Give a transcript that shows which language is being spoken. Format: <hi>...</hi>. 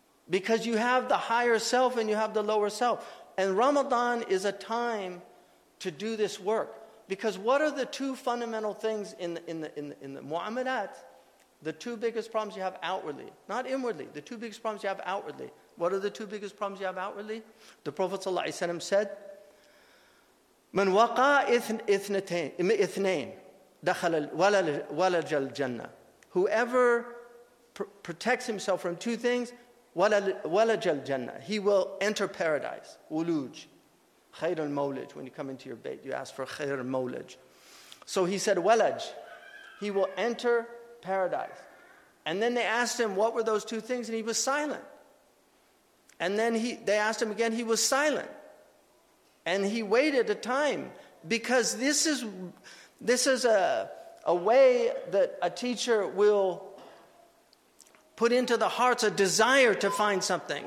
<en>Because you have the higher self and you have the lower self. And Ramadan is a time to do this work. Because what are the two fundamental things in the mu'amalat? The two biggest problems you have outwardly. Not inwardly. The two biggest problems you have outwardly. What are the two biggest problems you have outwardly? The Prophet ﷺ said,</en> <ar>من وقى اثنين دخل ولج الجنة.</ar> <en>Whoever protects himself from two things,</en> <ar>ولج الجنة,</ar> <en>he will enter paradise.</en> <ar>Uluj, خير المولج.</ar> <en>When you come into your bait, you ask for</en> <ar>خير المولج.</ar> <en>So he said ولج, he will enter paradise. And then they asked him, what were those two things? And he was silent. And then they asked him again, he was silent. And he waited a time, because this is a way that a teacher will put into the hearts a desire to find something.</en>